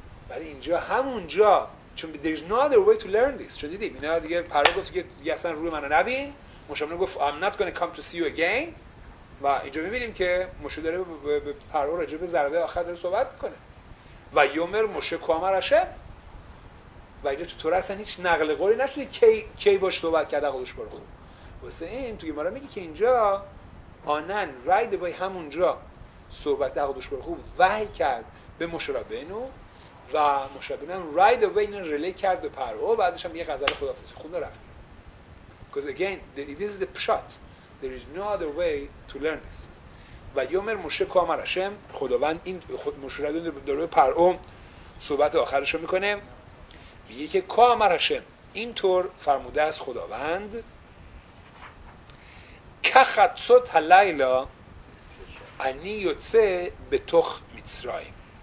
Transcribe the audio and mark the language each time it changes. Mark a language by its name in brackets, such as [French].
[Persian] ولی اینجا همونجا چون [English] there is no other way to learn this، [Persian] چون دیدیم اینا دیگه پرعو گفت دیگه اصلا روی منو نبین، مشربنو گفت [English] I'm not gonna come to see you again [Persian] و اینجا میبینیم که موشه داره به پرعو راجع به ضربه آخر داره صحبت میکنه و یومر موشه کامر هشم و اینجا تو توره اصلا هیچ نقل قولی نشده کی باش صحبت کرده قدوش برخو. واسه این توی ما را میگی که اینجا آنن رای دبای همونجا صحبت قدوش برخو وحی کرد به موشه رابینو و موشه رابینو هم رای دبای اینو ریلی کرد به پرعو، بعدش هم یه غزل خدافزی خونده رفت. [English] Because again this is the pshat. There is no other way to learn this. [Persian] و یومر موشه کامر هشم، خداوند این خود موشه رو در پرعو صحبت آخرش رو میکنه، میگه که کامر هشم این طور فرموده است خداوند، کخطوت هلیلا انی یوتسه به توخ میتسرایم.